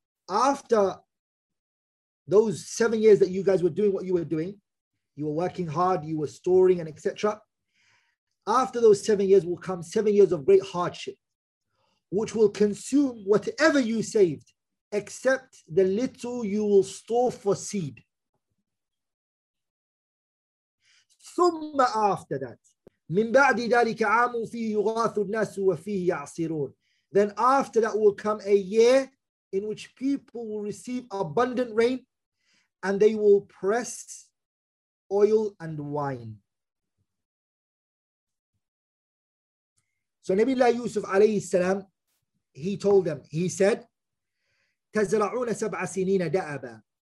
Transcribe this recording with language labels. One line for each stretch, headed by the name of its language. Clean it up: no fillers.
English: After those 7 years that you guys were doing what you were doing, you were working hard, you were storing and etc. After those 7 years will come 7 years of great hardship, which will consume whatever you saved, except the little you will store for seed.
Arabic: ثم
English: after that,
Arabic: من بعد ذلك عام فيه يغاث الناس وفيه يعصرون.
English: Then after that will come a year in which people will receive abundant rain and they will press oil and wine. So Nabilah Yusuf alayhi salam, he told them, he said,
Arabic: تزرعون سبع سنين دأبا.